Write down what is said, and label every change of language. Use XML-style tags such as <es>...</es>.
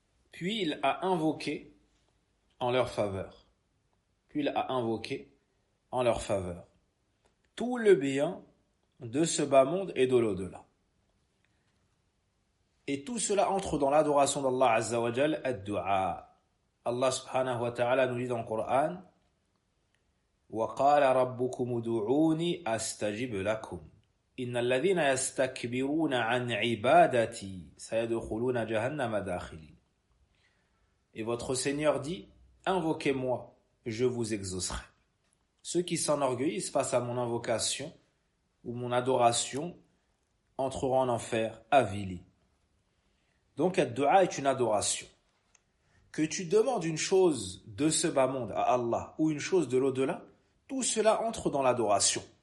<fr>Puis il a invoqué en leur faveur. Puis il a invoqué en leur faveur tout le bien de ce bas monde et de l'au-delà. Et tout cela entre dans l'adoration d'Allah Azza wa Jal, ad-du'a.</fr> <ar>Allah subhanahu wa ta'ala</ar> <fr>nous dit dans le Coran,</fr> <ar>وَقَالَ رَبُّكُمْ ادْعُونِي أَسْتَجِبْ لَكُمْ إِنَّ الَّذِينَ يَسْتَكْبِرُونَ عَنْ عِبَادَتِي سَيَدْخُلُونَ جَهَنَّمَ دَاخِلِي.</ar> <fr>Et votre Seigneur dit, invoquez-moi, je vous exaucerai. Ceux qui s'enorgueillissent face à mon invocation ou mon adoration entreront en enfer avili. Donc, ad-du'a est une adoration. Que tu demandes une chose de ce bas monde à Allah ou une chose de l'au-delà, tout cela entre dans l'adoration.</fr>